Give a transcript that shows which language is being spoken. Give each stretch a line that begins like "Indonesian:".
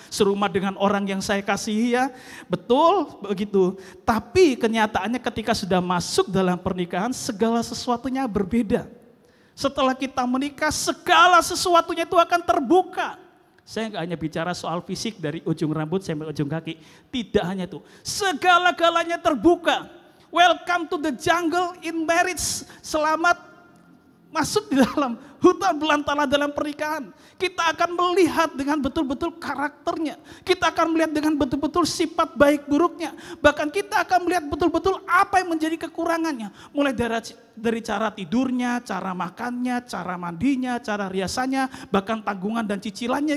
Indonesian: Serumah dengan orang yang saya kasihi ya. Betul begitu. Tapi kenyataannya ketika sudah masuk dalam pernikahan segala sesuatunya berbeda. Setelah kita menikah segala sesuatunya itu akan terbuka. Saya gak hanya bicara soal fisik dari ujung rambut sampai ujung kaki. Tidak hanya itu. Segala-galanya terbuka.
English: Welcome to the jungle in marriage.
Indonesian: Selamat masuk di dalam hutan belantara dalam pernikahan. Kita akan melihat dengan betul-betul karakternya. Kita akan melihat dengan betul-betul sifat baik buruknya. Bahkan kita akan melihat betul-betul apa yang menjadi kekurangannya. Mulai dari cara tidurnya, cara makannya, cara mandinya, cara riasannya, bahkan tanggungan dan cicilannya.